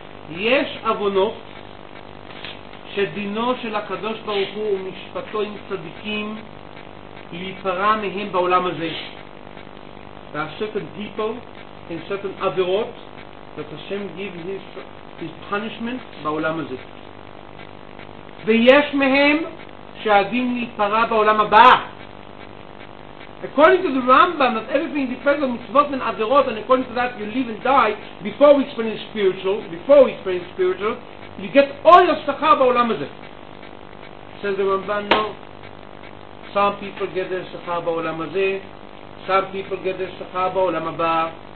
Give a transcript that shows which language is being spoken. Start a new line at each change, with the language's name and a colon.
Hebrew: יש אבונות שדינו של הקדוש ברוך הוא ומשפטו עם צדיקים להיפרע מהם בעולם הזה.
English: There are certain people and certain עבירות that Hashem give his punishment בעולם הזה.
Hebrew: ויש מהם שעדים להיפרע בעולם הבא.
English: According to the Rambam, that everything depends on mitzvot and averot, and according to that, you live and die before we explain the spiritual. Before we explain the spiritual, you get all your shachar ba'olam hazeh. Says the Rambam, no. Some people get their shachar ba'olam hazeh. Some people get their shachar ba'olam haba.